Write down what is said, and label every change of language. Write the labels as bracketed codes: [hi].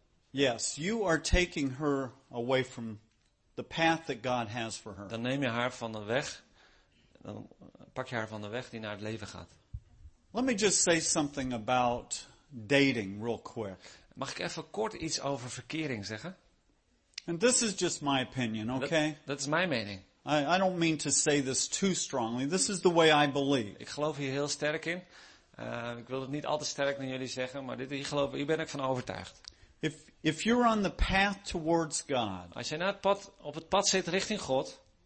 [en] Yes, you are taking her away from the path that God has for her. [nl] Dan neem je haar van de weg. Dan pak je haar van de weg die naar het leven gaat. [en] Let me just say something about dating real quick. [nl] Mag ik even kort iets over verkering zeggen? [en] And this is just my opinion, okay? [nl] Dat is mijn mening. [en] I don't mean to say this too strongly. This is the way I believe. [nl] Ik geloof hier heel sterk in. Ik wil het niet al te sterk naar jullie zeggen, maar hier ben ik van overtuigd. [en] If you're on the path towards God. [nl] Als je op het pad zit richting God.